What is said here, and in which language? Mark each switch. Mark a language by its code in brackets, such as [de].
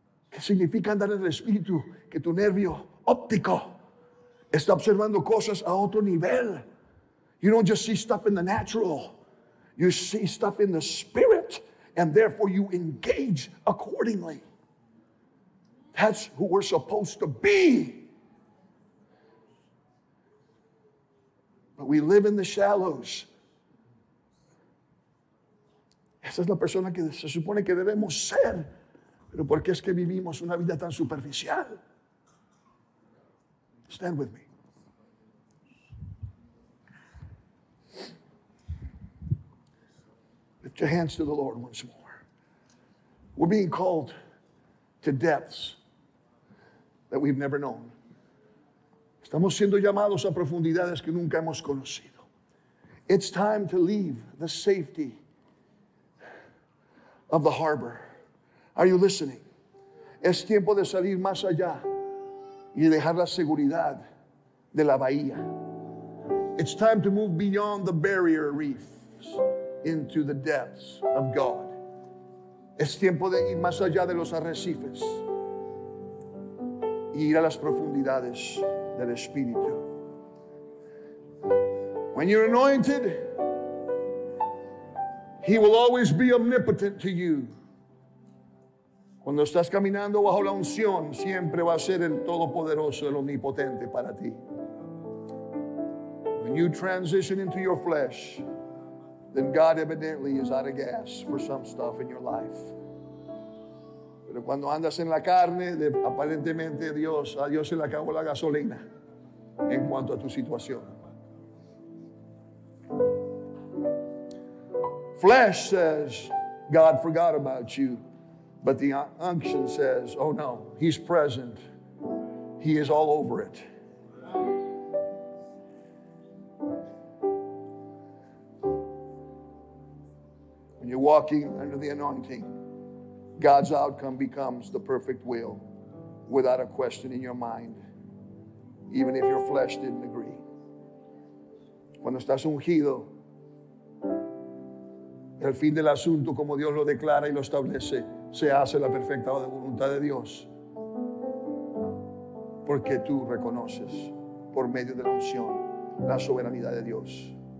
[es] ¿Qué significa andar en el Espíritu? Que tu nervio óptico está observando cosas a otro nivel. [en] You don't just see stuff in the natural. You see stuff in the Spirit, and therefore you engage accordingly. That's who we're supposed to be. But we live in the shallows. [es] Esa es la persona que se supone que debemos ser. Pero ¿por qué es que vivimos una vida tan superficial? [en] Stand with me. Lift your hands to the Lord once more. We're being called to depths that we've never known. [es] Estamos siendo llamados a profundidades que nunca hemos conocido. [en] It's time to leave the safety of the harbor. Are you listening? [es] Es tiempo de salir más allá y dejar la seguridad de la bahía. [en] It's time to move beyond the barrier reefs into the depths of God. [es] Es tiempo de ir más allá de los arrecifes y ir a las profundidades del Espíritu. [en] When you're anointed, He will always be omnipotent to you. [es] Cuando estás caminando bajo la unción, siempre va a ser el Todopoderoso, el Omnipotente para ti. [en] When you transition into your flesh, then God evidently is out of gas for some stuff in your life. [es] Pero cuando andas en la carne, aparentemente a Dios se le acabó la gasolina en cuanto a tu situación. [en] Flesh says, God forgot about you. But the unction says, oh no, He's present. He is all over it. When you're walking under the anointing, God's outcome becomes the perfect will without a question in your mind, even if your flesh didn't agree. [es] Cuando estás ungido, el fin del asunto, como Dios lo declara y lo establece, se hace la perfecta voluntad de Dios, porque tú reconoces por medio de la unción la soberanía de Dios.